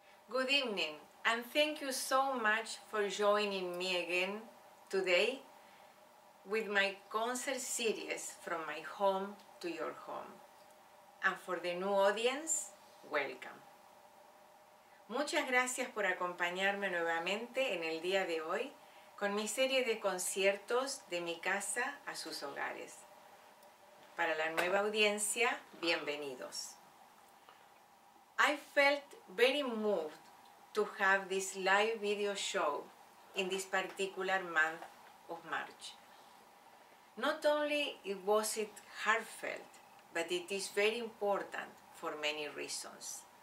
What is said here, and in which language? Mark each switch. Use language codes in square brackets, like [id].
[en] Good evening, and thank you so much for joining me again today with my concert series From My Home to Your Home. And for the new audience, welcome. [es] Muchas gracias por acompañarme nuevamente en el día de hoy con mi serie de conciertos de mi casa a sus hogares. Para la nueva audiencia, bienvenidos. [en] I felt very moved to have this live video show in this particular month of March. Not only was it heartfelt, but it is very important for many reasons.